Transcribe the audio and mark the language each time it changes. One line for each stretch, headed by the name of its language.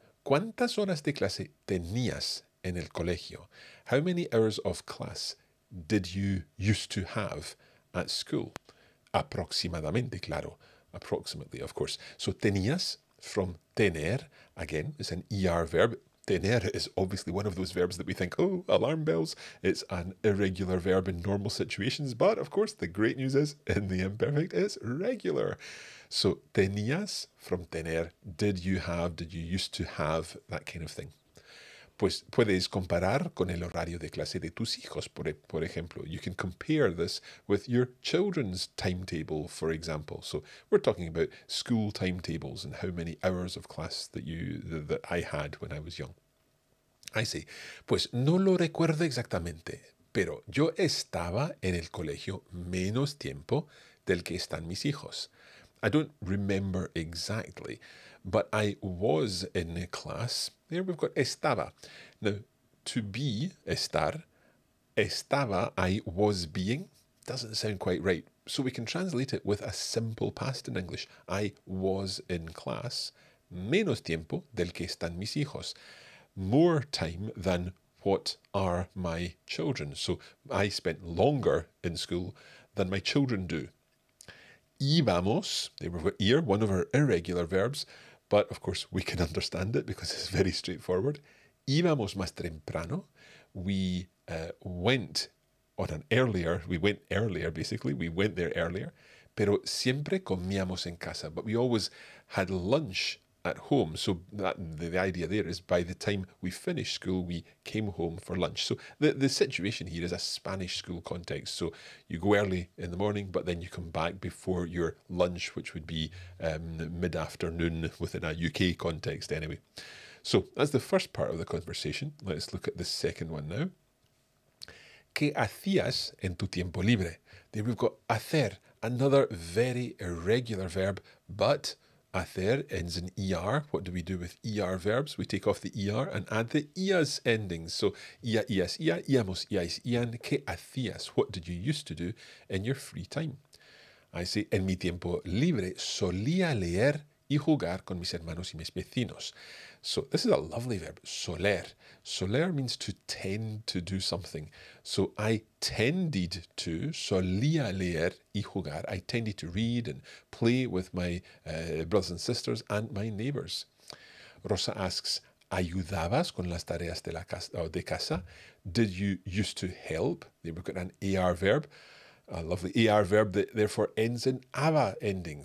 Spanish: ¿Cuántas horas de clase tenías en el colegio?
English: How many hours of class did you used to have at school?
Spanish: Aproximadamente, claro.
English: Approximately, of course. So tenías, from tener, again, is an ER verb. Tener is obviously one of those verbs that we think, oh, alarm bells. It's an irregular verb in normal situations. But of course, the great news is, in the imperfect, it's regular. So tenías, from tener, did you have, did you used to have, that kind of thing.
Spanish: Pues puedes comparar con el horario de clase de tus hijos, por ejemplo.
English: You can compare this with your children's timetable, for example. So we're talking about school timetables and how many hours of class that I had when I was young. I say,
Spanish: pues no lo recuerdo exactamente, pero yo estaba en el colegio menos tiempo del que están mis hijos.
English: I don't remember exactly, but I was in a class. Here we've got estaba. Now, to be, estar, estaba, I was being, doesn't sound quite right. So we can translate it with a simple past in English. I was in class
Spanish: menos tiempo del que están mis hijos.
English: More time than what are my children. So I spent longer in school than my children do. Íbamos, there we've got ir, one of our irregular verbs, but of course we can understand it because it's very straightforward.
Spanish: Íbamos más temprano.
English: We went there earlier,
Spanish: pero siempre comíamos en casa,
English: but we always had lunch at home. So that, the idea there is by the time we finished school, we came home for lunch. So the situation here is a Spanish school context. So you go early in the morning, but then you come back before your lunch, which would be mid-afternoon within a UK context anyway. So that's the first part of the conversation. Let's look at the second one now.
Spanish: ¿Qué hacías en tu tiempo libre?
English: There we've got hacer, another very irregular verb, but... hacer ends in ER. What do we do with ER verbs? We take off the ER and add the IAS endings. So, IA, IAS, IA, IAMOS, IAIS, IAN,
Spanish: ¿qué hacías?
English: What did you used to do in your free time? I say,
Spanish: en mi tiempo libre, solía leer y jugar con mis hermanos y mis vecinos.
English: So, this is a lovely verb, soler. Soler means to tend to do something. So, I tended to,
Spanish: solía leer y jugar.
English: I tended to read and play with my brothers and sisters and my neighbors. Rosa asks,
Spanish: ayudabas con las tareas de la casa, de casa.
English: Did you used to help? We've got an ER verb. A lovely ER verb that therefore ends in ABA ending.